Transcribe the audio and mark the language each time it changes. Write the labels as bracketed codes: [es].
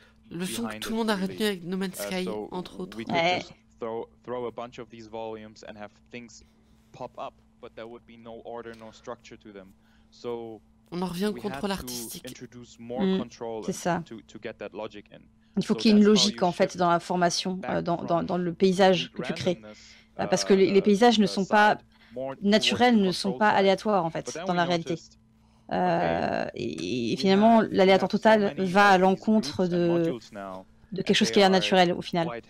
[fr] Le son que tout le monde a retenu avec No Man's Sky, entre autres. Ouais. [en] Throw a bunch of these volumes and have things pop up, but there would be no order, no structure to them. So [fr] on en revient au contrôle artistique. [en] Introduce more control to get that logic in. [fr] Il faut qu'il y ait une logique en fait dans la formation, dans le paysage que tu crées, parce que les paysages ne sont pas naturels, ne sont pas aléatoires en fait dans la réalité. Et finalement, l'aléatoire total va à l'encontre de quelque chose qui est naturel au final.